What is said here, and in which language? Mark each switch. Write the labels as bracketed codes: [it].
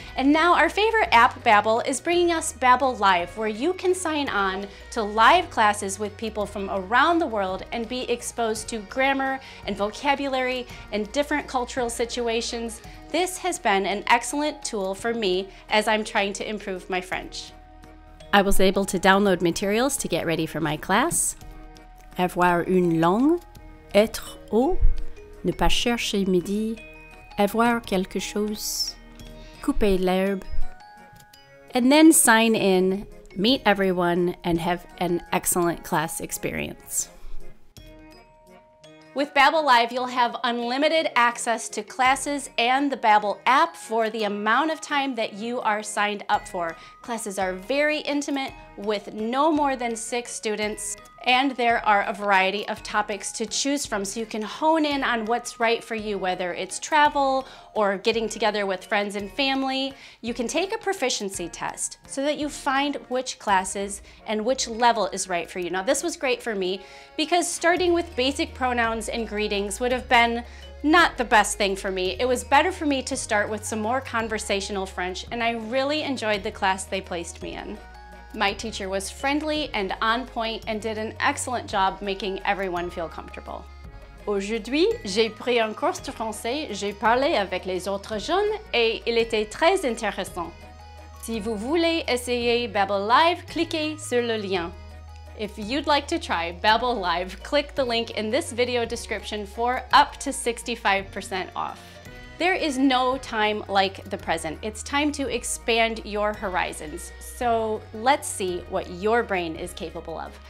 [en] And now our favorite app, Babbel, is bringing us Babbel Live, where you can sign on to live classes with people from around the world and be exposed to grammar and vocabulary and different cultural situations. This has been an excellent tool for me as I'm trying to improve my French. I was able to download materials to get ready for my class. [fr] Avoir une langue, être haut, ne pas chercher midi, avoir quelque chose, couper l'herbe. [en] And then sign in, meet everyone, and have an excellent class experience. With Babbel Live, you'll have unlimited access to classes and the Babbel app for the amount of time that you are signed up for. Classes are very intimate with no more than 6 students, and there are a variety of topics to choose from so you can hone in on what's right for you, whether it's travel or getting together with friends and family. You can take a proficiency test so that you find which classes and which level is right for you. Now, this was great for me because starting with basic pronouns and greetings would have been not the best thing for me. It was better for me to start with some more conversational French, and I really enjoyed the class they placed me in. My teacher was friendly and on point and did an excellent job making everyone feel comfortable. [fr] Aujourd'hui, j'ai pris un cours de français, j'ai parlé avec les autres jeunes et il était très intéressant. Si vous voulez essayer Babbel Live, cliquez sur le lien. [en] If you'd like to try Babbel Live, click the link in this video description for up to 65% off. There is no time like the present. It's time to expand your horizons. So let's see what your brain is capable of.